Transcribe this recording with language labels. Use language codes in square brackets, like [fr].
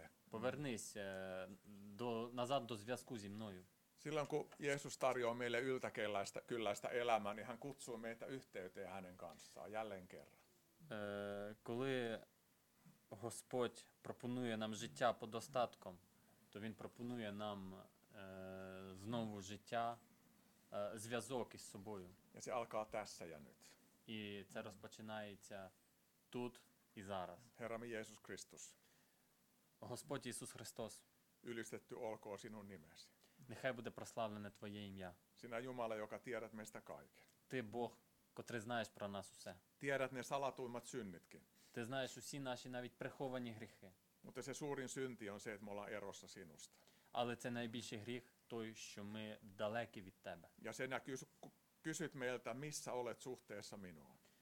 [uk] Повернись назад до зв'язку зі мною. [fi] Silloin kun Jeesus tarjoaa meille yltäkylläistä elämää, niin hän kutsuu meitä yhteyteen hänen kanssaan jälleen kerran. [uk] Коли Господь пропонує нам життя по достатком, то він пропонує нам знову життя зв'язок із собою. [fi] Ja se alkaa tässä ja nyt. [uk] І це розпочинається тут і зараз. [fi] Herra mi Jeesus Christus. [uk] Господь Ісус Христос. [fi] Ylistetty olkoon sinun nimesi. [uk] Нехай буде прославлене твоє ім'я. [fi] Sinä Jumala, joka tiedät meistä kaiken. [uk] Ти Бог, котрий знаєш про нас усе. [fi] Tiedät ne salatuimmat synnitkin. [uk] Ти знаєш усі наші навіть приховані гріхи. [fi] Mutta se suurin synti on se, että me ollaan erossa sinusta. [uk] Але це найбільший гріх той, що ми далекі від тебе. [fi] Ja se näkyy, kun kysyt meiltä, missä olet suhteessa minuun.